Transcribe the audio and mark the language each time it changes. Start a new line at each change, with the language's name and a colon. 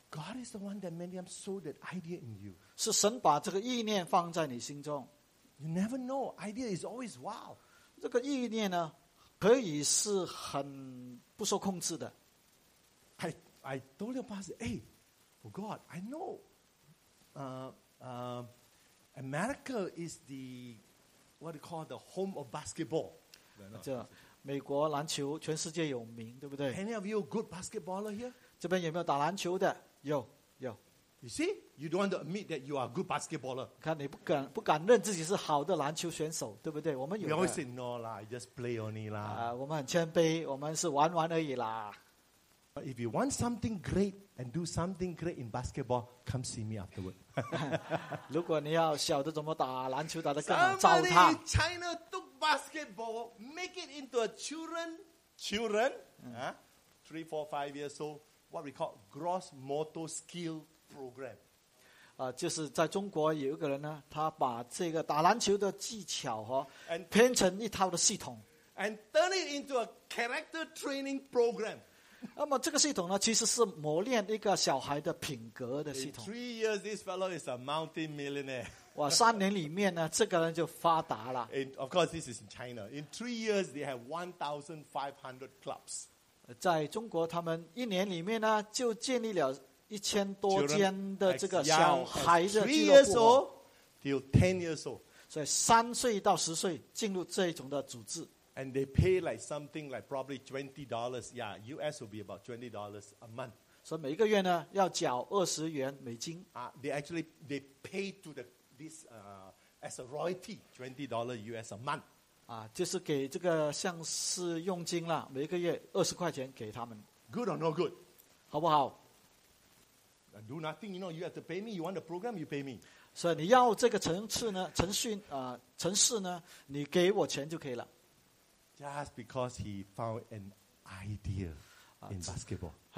English: God is the one that made him sow that idea in you.
Chinese: 是神把这个意念放在你心中
English: You never know, idea is always wow.
Chinese: 这个意念呢 可以是很不受控制的
English: I told your pastor hey, oh God, I know America is the what do you call the home of basketball
Chinese: 美国篮球全世界有名 对不对?
English: Any of you good basketballer here?
Chinese: 这边有没有打篮球的?有, 有
English: You see? You don't want to admit that you are a good basketballer
Chinese: 看你不敢认自己是好的篮球选手 对不对? 我们有的
English: We always say no la, I just play only la
Chinese: 我们很谦卑 我们是玩玩而已啦
English: If you want something great and do something great in basketball come see me afterward
Chinese: 如果你要晓得怎么打篮球打得更好
English: Somebody
Chinese: 糟蹋
English: Somebody in China took basketball make it into a children three, four, 5 years old what we call gross motor skill program
Chinese: 就是在中国有一个人呢 他把这个打篮球的技巧 编成一套的系统
English: and turn it into a character training program
Chinese: 那么这个系统呢 其实是磨练一个小孩的品格的系统
English: in 3 years this fellow is a multi-millionaire
Chinese: 哇三年里面呢 这个人就发达了
English: in, of course this is in China in 3 years they have 1,500 clubs
Chinese: 在中国他们一年里面呢 就建立了 1000多间的这个小孩的俱乐部
English: 3 years old till 10 years old
Chinese: 所以3岁到10岁进入这种的组织
English: and they pay like something like probably $20 yeah US will be about $20 a month
Chinese: 所以每个月呢要缴20元美金
English: they actually they pay to the this as a royalty $20 US a month
Chinese: 就是给这个像是佣金了 每个月20块钱给他们
English: good or no good
Chinese: 好不好
English: Do nothing, you know, you have to pay me. You want the program, you pay me.
Chinese: So, 你要这个程式呢，程序，程式呢，你给我钱就可以了。
English: Just because he found an idea in basketball.